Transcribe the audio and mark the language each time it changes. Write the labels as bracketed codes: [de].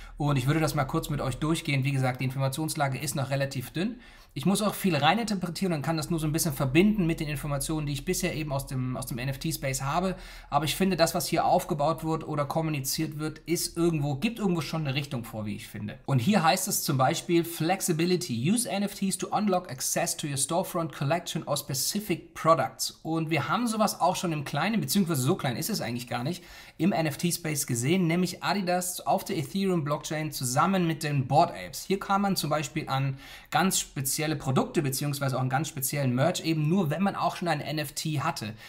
[de] Und ich würde das mal kurz mit euch durchgehen. Wie gesagt, die Informationslage ist noch relativ dünn. Ich muss auch viel reininterpretieren und kann das nur so ein bisschen verbinden mit den Informationen, die ich bisher eben aus dem NFT-Space habe. Aber ich finde, das, was hier aufgebaut wird oder kommuniziert wird, gibt irgendwo schon eine Richtung vor, wie ich finde. Und hier heißt es zum Beispiel Flexibility. [en] Use NFTs to unlock access to your storefront collection or specific products. [de] Und wir haben sowas auch schon im Kleinen, beziehungsweise so klein ist es eigentlich gar nicht, im NFT-Space gesehen, nämlich Adidas auf der Ethereum-Blockchain zusammen mit den Bored Apes. Hier kam man zum Beispiel an ganz spezielle Produkte beziehungsweise auch einen ganz speziellen Merch, eben nur wenn man auch schon ein NFT hatte.